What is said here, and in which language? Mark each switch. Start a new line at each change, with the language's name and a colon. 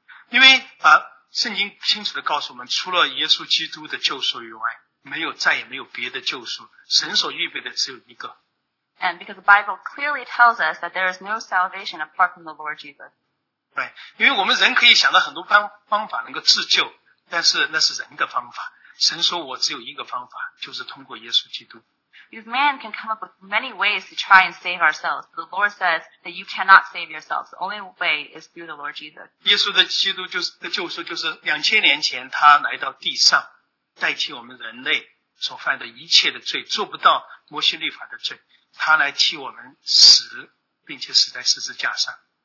Chinese: 因为圣经清楚地告诉我们，除了耶稣基督的救赎以外，没有再也没有别的救赎，神所预备的只有一个。
English: And because the Bible clearly tells us that there is no salvation apart from the Lord Jesus. Right,
Chinese: 因为我们人可以想到很多方法能够自救。但是那是人的方法，神说我只有一个方法，就是通过耶稣基督。
English: Because man can come up with many ways to try and save ourselves. But the Lord says that you cannot save yourselves. The only way is through the Lord Jesus.
Chinese: 耶稣的基督就是救赎，就是2000年前他来到地上，代替我们人类所犯的一切的罪，做不到摩西律法的罪，他来替我们死，并且死在十字架上。